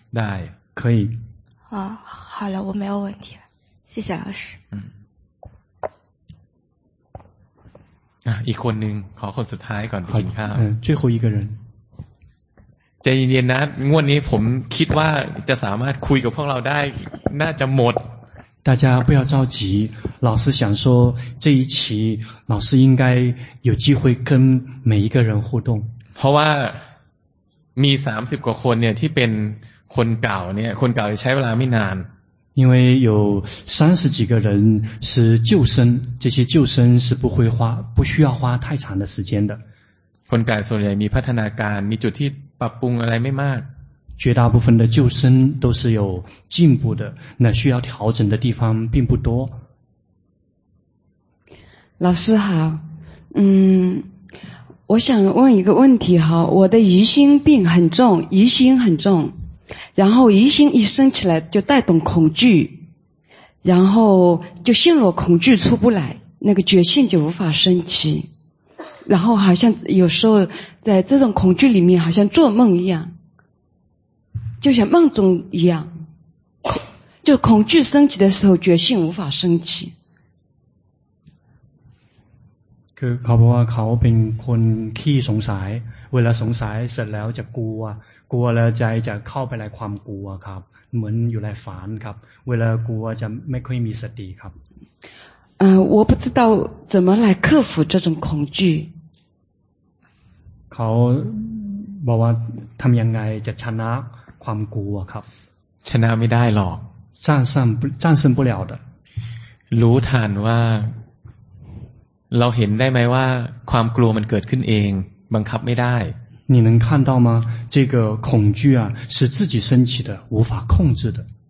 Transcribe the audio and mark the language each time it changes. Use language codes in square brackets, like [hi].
[th] ได้ [zh] 可以好了我没有问题了谢谢老师 [th] 嗯一คนหนึ่งขอคนสุดท้ายก่อนไปกินข้าว [zh] 最后一个人 [th] ใจเย็นๆนะงวดนี้ผมคิดว่าจะสามารถคุยกับพวกเราได้น่าจะหมด [zh] 大家不要着急老师想说这一期老师应该有机会跟每一个人互动 [th] เพราะว่ามี30กว่าคนเนี่ยที่เป็นคนเก่าเนี่ยคนเก่าใช้เวลาไม่นาน [zh] 因为有三十几个人是旧生这些旧生是不会花不需要花太长的时间的 [th] คนเก่าส่วนใหญ่มีพัฒนาการมีจุดที่ปรับปรุงอะไรไม่มาก [zh] 绝大部分的旧生都是有进步的那需要调整的地方并不多老师好我想问一个问题哈我的疑心病很重疑心很重然后疑心一生起来就带动恐惧，然后就陷入恐惧出不来，那个觉性就无法升起，然后好像有时候在这种恐惧里面好像做梦一样，就像梦中一样，就恐惧升起的时候觉性无法升起。 [th] คือเขาบอกว่าเขาเป็นคนขี้สงสัยเวลาสงสัยเสร็จแล้วจะกลัวกลัวแล้วใจจะเข้าไปในความกลัวครับเหมือนอยู่ในฝันครับเวลากลัวจะไม่ค่อยมีสติครับ [zh] 我不知道怎么来克服这种恐惧。 [th] เขาบอกว่าทำยังไงจะชนะความกลัวครับ ชนะไม่ได้หรอก [zh] 战胜不了的 [th] รู้ทันว่าเราเห็นได้ไหมว่าความกลัวมันเกิดขึ้นเองบังคับไม่ได้ [zh] 你能看到吗这个恐惧啊是自己升起的无法控制的